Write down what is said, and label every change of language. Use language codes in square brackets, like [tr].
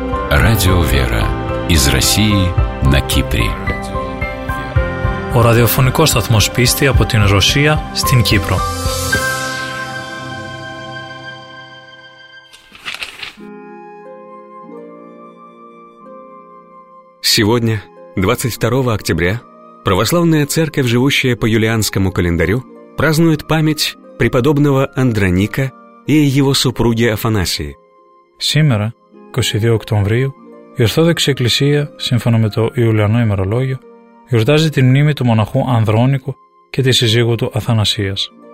[ru] Радио «Вера» из России на Кипре. [el] Ο ραδιοφωνικός σταθμός πίστη από την Ρωσία στην Κύπρο. [ru] Сегодня, 22 октября, Православная Церковь, живущая по юлианскому календарю, празднует память преподобного Андроника и его супруги Афанасии. Сегодня, 22 октября, [el] η Ορθόδοξη Εκκλησία, σύμφωνα με το Ιουλιανό ημερολόγιο, γιορτάζει την μνήμη του μοναχού Ανδρόνικου και της σύζυγου του Αθανασίας.